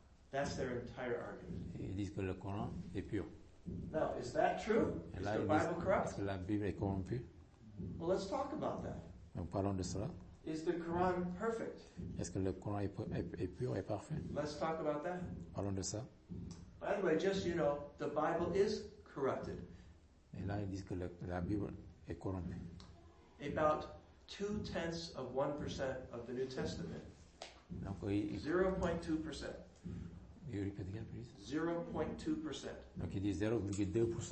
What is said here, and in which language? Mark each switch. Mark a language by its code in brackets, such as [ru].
[en] That's their entire argument. [fr] Ils disent que le Coran est pur. [en] Now, is that true? Is [fr] là, [en] the Bible corrupt? [fr] Est-ce que la Bible est corrompue? [en] Well, let's talk about that. [fr] Donc, parlons de cela. [en] Is the Quran perfect? [fr] Est-ce que le Coran est pur et parfait? [en] Let's talk about that. [fr] Parlons de ça. [en] By the way, just you know, the Bible is corrupted. [fr] Et là, ils disent que la Bible est corrompue. [en] About 0.2% of the New Testament. [fr] Donc, [en] 0.2%. You repeat again, please. 0.2%. [fr] Donc, il dit 0.2%